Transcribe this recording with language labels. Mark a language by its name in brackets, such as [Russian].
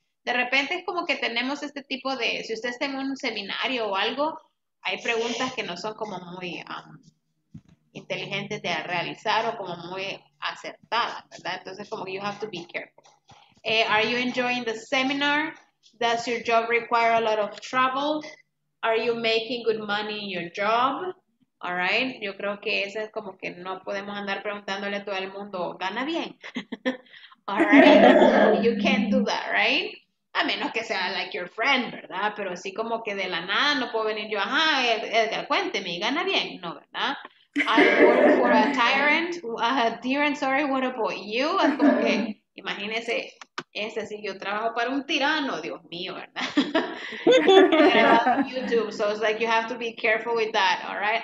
[Spanish] De repente es como que tenemos este tipo de, si usted está en un seminario o algo, hay preguntas que no son como muy inteligentes de realizar o como muy acertadas, ¿verdad? Entonces como [English] you have to be careful. Are you enjoying the seminar? Does your job require a lot of travel? Are you making good money in your job? All right, [Spanish] yo creo que eso es como que no podemos andar preguntándole a todo el mundo, ¿gana bien? [English] All right, you can't do that, right? [Spanish] A menos que sea [English] like your friend, ¿verdad? [Spanish] Pero así como que de la nada no puedo venir yo, ajá, Edgar, cuénteme, ¿gana bien? No, ¿verdad? [English] I work for a tyrant, what about you? [Spanish] Es como que, imagínese, ese sí, yo trabajo para un tirano, Dios mío, ¿verdad? Pero [English] YouTube, so it's like you have to be careful with that, all right?